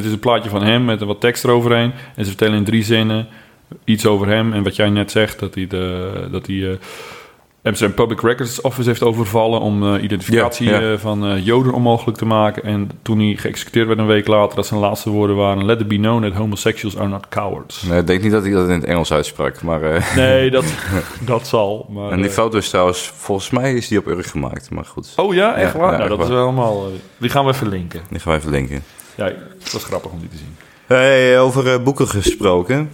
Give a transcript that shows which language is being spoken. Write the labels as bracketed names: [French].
[Dutch] Het is een plaatje van hem met wat tekst eroverheen. En ze vertellen in 3 zinnen iets over hem. En wat jij net zegt, dat hij Amsterdam Public Records Office heeft overvallen... om identificatie van Joden onmogelijk te maken. En toen hij geëxecuteerd werd een week later, dat zijn laatste woorden waren... [English] Let it be known that homosexuals are not cowards. [Dutch] Nee, ik denk niet dat hij dat in het Engels uitsprak, maar... Nee, dat zal, maar... En die foto is trouwens, volgens mij is die op Urk gemaakt, maar goed. Oh ja, echt waar? Ja, nou, dat is wel helemaal... Die gaan we even linken. Die gaan we even linken. Ja, het was grappig om die te zien. Hey, over boeken gesproken.